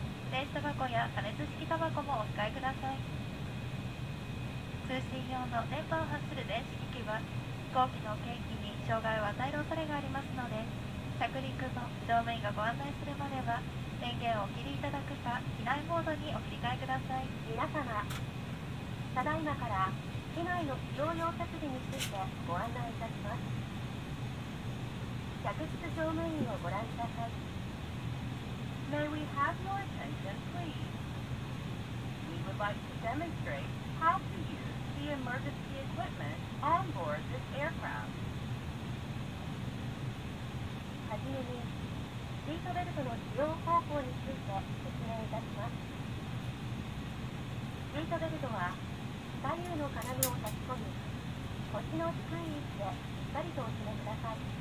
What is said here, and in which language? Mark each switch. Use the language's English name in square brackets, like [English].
[Japanese] 電子タバコや加熱式タバコもお控えください。通信用の電波を発する電子機器は飛行機の計器に障害を与える恐れがありますので、着陸後乗務員がご案内するまでは電源をお切りいただくか機内モードにお切り替えください。皆様、ただいまから機内の非常用設備についてご案内いたします。客室乗務員をご覧ください。 [English] May we have your attention, please? We would like to demonstrate how to use the emergency equipment on board this aircraft. [Japanese] はじめに、シートベルトの使用方法について説明いたします。シートベルトは、左右の金具を差し込み、腰の低い位置でしっかりとお締めください。